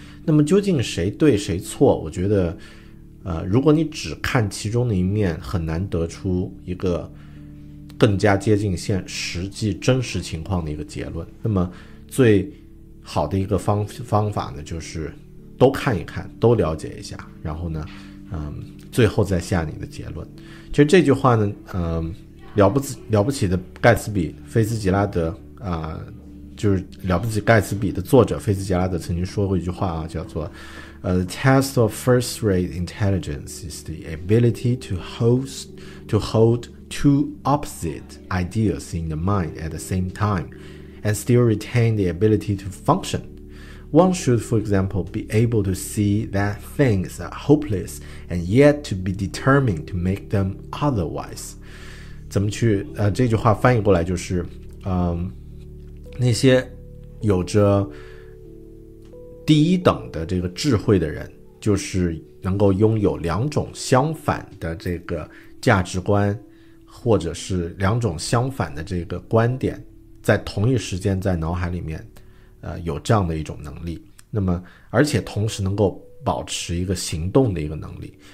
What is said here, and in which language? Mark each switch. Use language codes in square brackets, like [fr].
[zh] 那么究竟谁对谁错，我觉得如果你只看其中的一面，很难得出一个更加接近实际真实情况的一个结论。那么最好的一个方法呢，就是都看一看，都了解一下，然后呢最后再下你的结论。其实这句话呢了不起的盖茨比菲斯吉拉德就是了不起盖茨比的作者菲斯吉拉德曾经说过一句话啊，叫做 [en] The test of first rate intelligence is the ability to hold two opposite ideas in the mind at the same time and still retain the ability to functionOne should, for example, be able to see that things are hopeless and yet to be determined to make them otherwise. [zh] 怎么去这句话翻译过来就是那些有着第一等的这个智慧的人，就是能够拥有两种相反的这个价值观，或者是两种相反的这个观点在同一时间在脑海里面有这样的一种能力，那么而且同时能够保持一个行动的一个能力。